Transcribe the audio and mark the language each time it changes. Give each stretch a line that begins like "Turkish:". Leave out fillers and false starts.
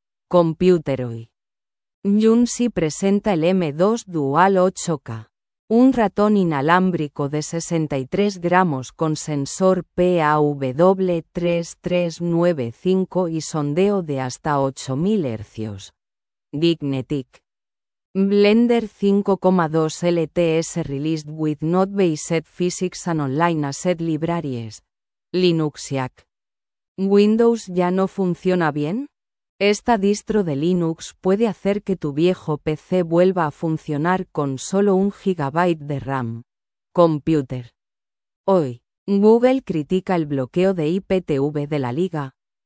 Spanish: Computer Hoy. Yunsi presenta el M2 Dual 8K. Un ratón inalámbrico de 63 gramos con sensor PAW3395 y sondeo de hasta 8000 Hz. Dignetic.
English: Blender 5.2 LTS released with Node-based physics and online asset libraries.
Spanish: Linux IAC. ¿Windows ya no funciona bien? Esta distro de Linux puede hacer que tu viejo PC vuelva a funcionar con solo un gigabyte de RAM. Computer. Hoy, Google critica el bloqueo de IPTV de la Liga.